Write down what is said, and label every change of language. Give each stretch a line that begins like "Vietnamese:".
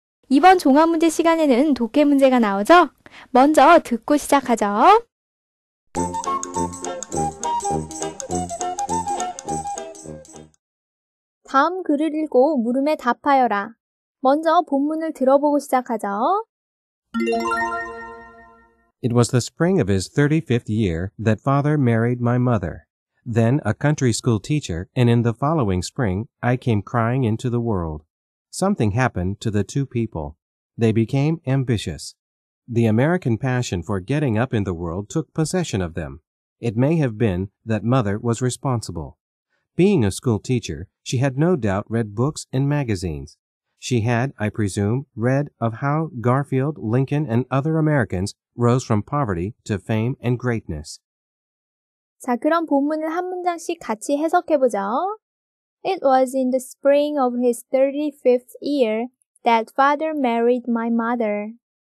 Korean: 이번 종합문제 시간에는 독해문제가 나오죠? 먼저 듣고 시작하죠. 다음 글을 읽고 물음에 답하여라. 먼저 본문을 들어보고 시작하죠.
English: It was the spring of his 35th year that father married my mother, then a country school teacher, and in the following spring, I came crying into the world. Something happened to the two people. They became ambitious. The American passion for getting up in the world took possession of them. It may have been that mother was responsible. Being a school teacher, she had no doubt read books and magazines. She had, I presume, read of how Garfield, Lincoln, and other Americans rose from poverty to fame and greatness.
Korean: 자, 그럼 본문을 한 문장씩 같이 해석해보죠.
English: It was in the spring of his 35th year that father married my mother.